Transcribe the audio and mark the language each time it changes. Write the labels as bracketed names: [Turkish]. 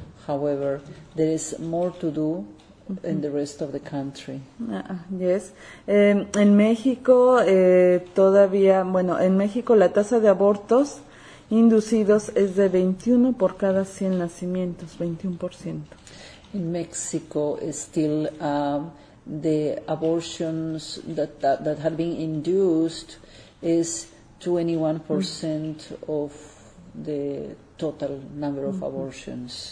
[English] However, there is more to do in the rest of the country. Yes. [Spanish] En México, todavía, bueno, en México la tasa de abortos inducidos es de 21 por cada 100 nacimientos, 21%. [English] In Mexico, still, the abortions that have been induced is 21% of the total number of abortions.